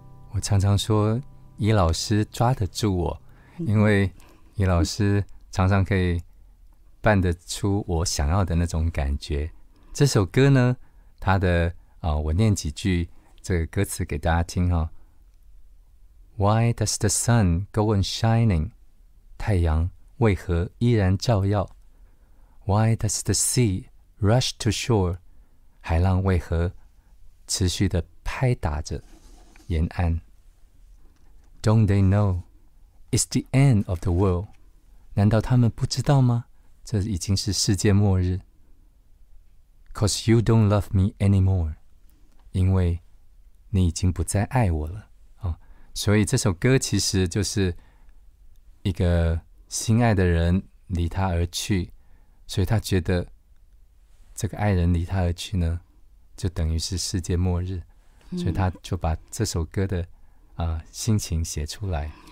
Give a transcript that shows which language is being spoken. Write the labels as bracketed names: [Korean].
[Chinese] 我常常说，怡老师抓得住我，因为怡老师常常可以办得出我想要的那种感觉。这首歌呢，它的我念几句这个歌词给大家听哦。 [English] Why does the sun go on shining? [Chinese] 太阳为何依然照耀 [English] ？Why does the sea rush to shore? [Chinese] 海浪为何持续的拍打着沿岸 [English] ？Don't they know it's the end of the world? [Chinese] 难道他们不知道吗？这已经是世界末日。 [English] Cause you don't love me anymore， [Chinese] 因为你已经不再爱我了、哦、所以这首歌其实就是一个心爱的人离他而去，所以他觉得这个爱人离他而去呢，就等于是世界末日，所以他就把这首歌的、心情写出来。